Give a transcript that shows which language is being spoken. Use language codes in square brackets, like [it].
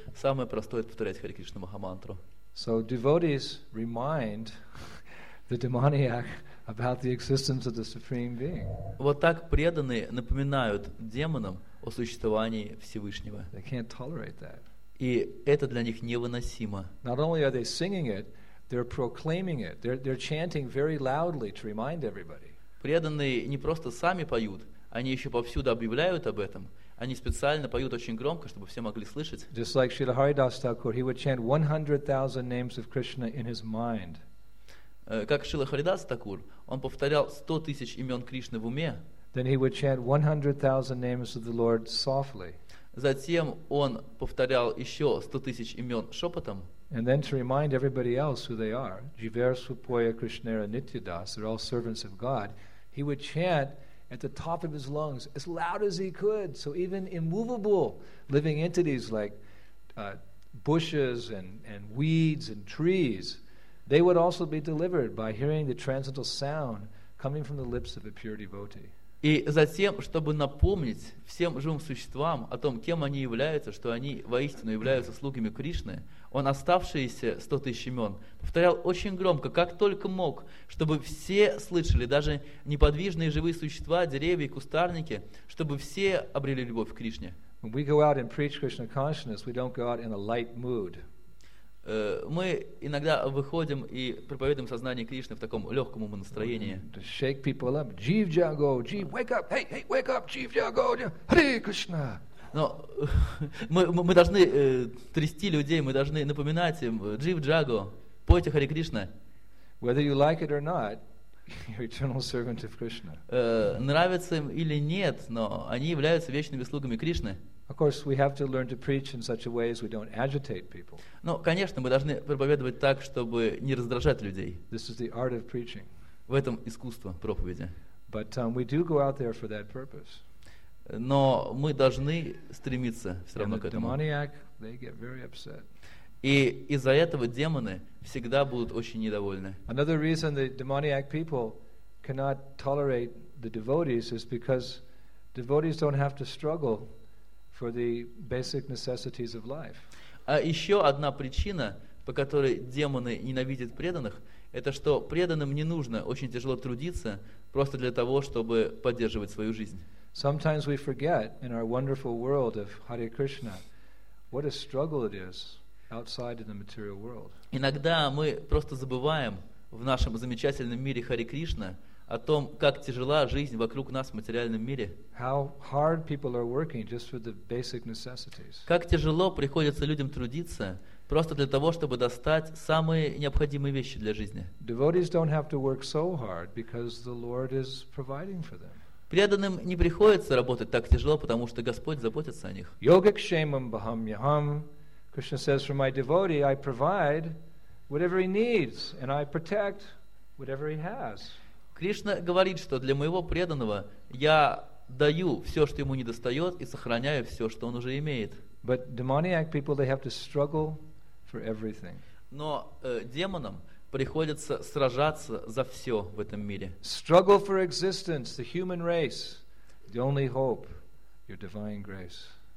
[ru] Самое простое — это повторять Харе Кришна Махамантру. [en] So devotees remind the demoniac about the existence of the Supreme Being. [ru] Вот так преданные напоминают демонам о существовании Всевышнего. [en] They can't tolerate that. [ru] И это для них невыносимо. [en] Not only are they singing it, they're proclaiming it. They're chanting very loudly to remind everybody. [ru] Преданные не просто сами поют, они еще повсюду объявляют об этом. Они специально поют очень громко, чтобы все могли слышать. [en] Just like Srila Haridasa Thakur, he would chant 100,000 names of Krishna in his mind. [ru] Как Шрила Харидаса Такур, он повторял 100 тысяч имен Кришны в уме. [en] Then he would chant 100,000 names of the Lord softly. [ru] Затем он повторял еще 100 тысяч имен шепотом. [en] And then to remind everybody else who they are, Jivar, Supoya, Krishnera, Nityadas, they're all servants of God, he would chant at the top of his lungs as loud as he could. So even immovable living entities like bushes and weeds and trees, they would also be delivered by hearing the transcendental sound coming from the lips of a pure devotee. [ru] И затем, чтобы напомнить всем живым существам о том, кем они являются, что они воистину являются слугами Кришны, он оставшиеся 100 тысяч имен повторял очень громко, как только мог, чтобы все слышали, даже неподвижные живые существа, деревья, кустарники, чтобы все обрели любовь к Кришне. [en] When we go out and preach Krishna consciousness, we don't go out in a light mood. [ru] Мы иногда выходим и проповедуем сознание Кришны в таком легком умонастроении. [en] To shake people up. Jeev Jago, Jeev, wake up, hey, hey, wake up, Jeev Jago, Hare Krishna. [ru] Но мы должны трясти людей, мы должны напоминать им, Jeev Jago, пойте Харе Кришна. [en] Whether you like it or not, you're eternal servant of Krishna. [ru] Нравится им или нет, но они являются вечными слугами Кришны. [en] Of course, we have to learn to preach in such a way as we don't agitate people. [ru] Но, конечно, мы должны проповедовать так, чтобы не раздражать людей. [en] This is the art of preaching. [ru] В этом искусство проповеди. [en] But we do go out there for that purpose. [ru] Но мы должны стремиться все равно к этому. [en] And the demoniac, they get very upset. [ru] И из-за этого демоны всегда будут очень недовольны. [en] Another reason the demoniac people cannot tolerate the devotees is because devotees don't have to struggle for the basic necessities of life. [ru] А еще одна причина, по которой демоны ненавидят преданных, это что преданным не нужно очень тяжело трудиться просто для того, чтобы поддерживать свою жизнь. [en] Sometimes we forget in our wonderful world of Hare Krishna what a struggle it is outside in the material world. [ru] Иногда мы просто забываем в нашем замечательном мире Харе Кришна о том, как тяжела жизнь вокруг нас в материальном мире. [en] How hard people are working just for the basic necessities. [ru] Как тяжело приходится людям трудиться просто для того, чтобы достать самые необходимые вещи для жизни. [en] Devotees don't have to work so hard because the Lord is providing for them. [ru] Преданным не приходится работать так тяжело, потому что Господь заботится о них. [sa] Yogakshemam baham yaham. [en] Krishna says, for my devotee, I provide whatever he needs and I protect whatever he has. [ru] Кришна говорит, что для моего преданного я даю все, что ему недостает, и сохраняю все, что он уже имеет. [en] But demoniac people, they have to struggle for everything. [ru] Но демонам приходится сражаться за все в этом мире. [en] Struggle for existence, the human race, the only hope, your divine grace.